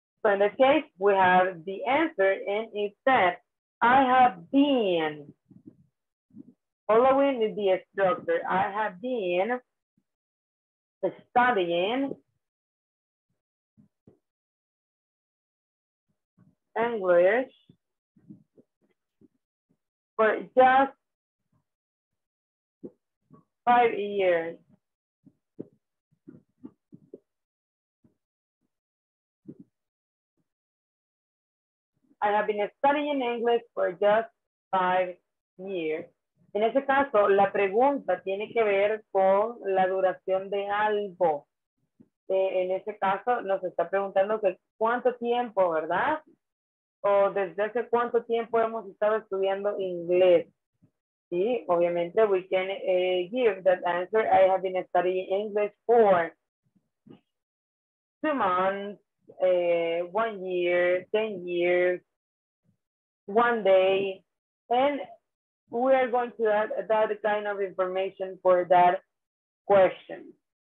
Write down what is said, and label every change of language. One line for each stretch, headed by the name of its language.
English: So in this case, we have the answer, and it says, I have been, following the structure, I have been studying English for just 5 years. I have been studying English for just 5 years.
Spanish: En ese caso, la pregunta tiene que ver con la duración de algo. En ese caso, nos está preguntando que cuánto tiempo, ¿verdad? O desde hace cuánto tiempo hemos estado estudiando inglés. Sí, obviamente,
English: we can give that answer. I have been studying English for 2 months, 1 year, 10 years, one day, and we are going to add that kind of information for that question.